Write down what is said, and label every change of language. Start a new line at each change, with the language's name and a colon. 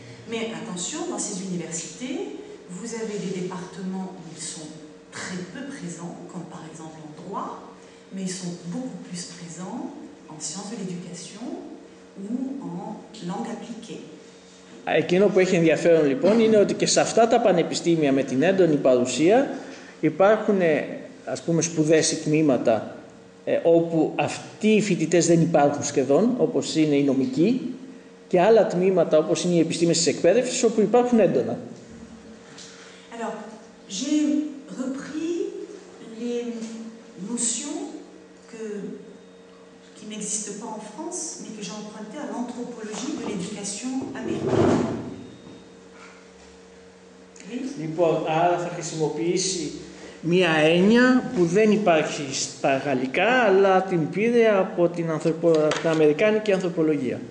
French: Mais attention, dans ces universités, vous avez des départements où ils sont très peu présents, comme par exemple en droit, mais ils sont beaucoup plus présents en sciences de l'éducation ou en langue appliquée.
Greek: Εκείνο που έχει ενδιαφέρον λοιπόν είναι ότι και σε αυτά τα πανεπιστήμια με την έντονη παρουσία υπάρχουν, ας πούμε, σπουδές ή τμήματα όπου αυτοί οι φοιτητές δεν υπάρχουν σχεδόν, όπως είναι η νομική, και άλλα τμήματα όπως είναι οι επιστήμες της εκπαίδευσης όπου υπάρχουν έντονα.
French: Alors, j'ai repris les notions qui n'existent pas en France mais que j'ai emprunté à l'anthropologie de l'éducation américaine.
Greek: Λοιπόν, άρα θα χρησιμοποιήσει μία έννοια που δεν υπάρχει στα γαλλικά, αλλά την πήρε από την αμερικάνικη ανθρωπολογία.